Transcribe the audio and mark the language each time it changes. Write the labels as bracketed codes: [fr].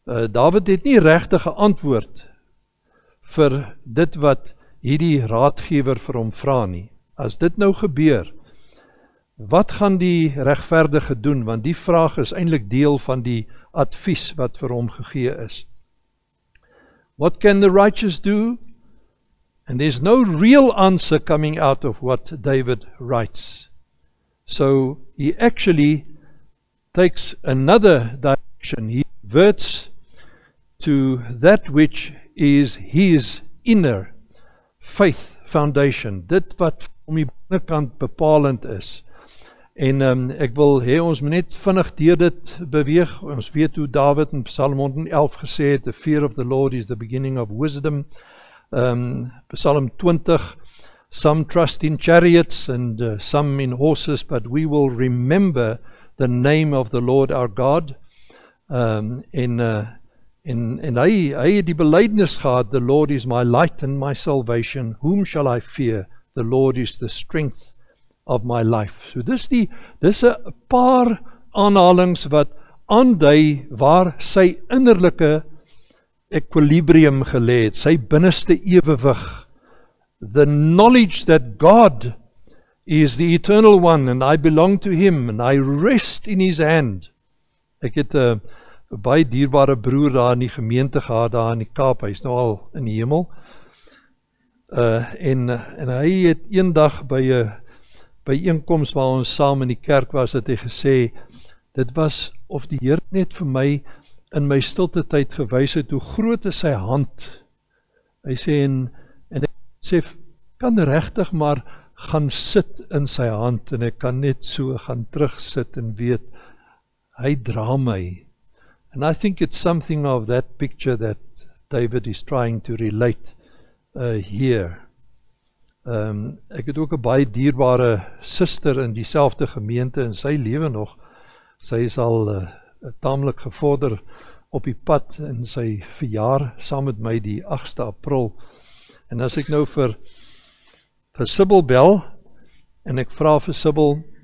[af] David het nie regtige antwoord vir dit wat hierdie raadgewer vir hom vra nie. As dit nou gebeur, wat gaan die regverdige doen? Want die vraag is eintlik deel van die advies wat vir hom gegee is. [en] What can the righteous do? And there's no real answer coming out of what David writes. So he actually takes another direction. He verts to that which is his inner faith foundation, [af] dit wat om die binnenkant bepalend is. En ek wil hê ons moet net vinnig deur dit beweeg. Ons weet hoe David in Psalm 11 gesê het, [en] the fear of the Lord is the beginning of wisdom. Psalm 20, some trust in chariots and some in horses, but we will remember the name of the Lord our God. [af] En hy het die belydenis gehad, [en] the Lord is my light and my salvation, whom shall I fear? The Lord is the strength of my life. [af] So dis 'n paar aanhalings wat aandui waar sy innerlike equilibrium gelê het, sy binneste ewewig. [en] The knowledge that God is the eternal one and I belong to him and I rest in his hand. [af] Ek het baie dierbare broer daar in die gemeente gehad, daar in die Kaap, hy is nou al in die hemel, en hy het een dag by een bijeenkomst waar ons saam in die kerk was, het hy gesê, dit was of die Heer net vir my in my stilte tyd gewys het, hoe groot is sy hand, hy sê, en ek sê, kan regtig maar gaan sit in sy hand, en ek kan net so gaan terug sit en weet, hy dra my. [en] And I think it's something of that picture that David is trying to relate here. [af] Ek het ook 'n baie dierbare suster in dieselfde gemeente en sy lewe nog. Sy is al tamelik gevorder op die pad en sy verjaar saam met my die 8ste April. En as ek nou vir Sibyl bel en ek vra vir Sibyl,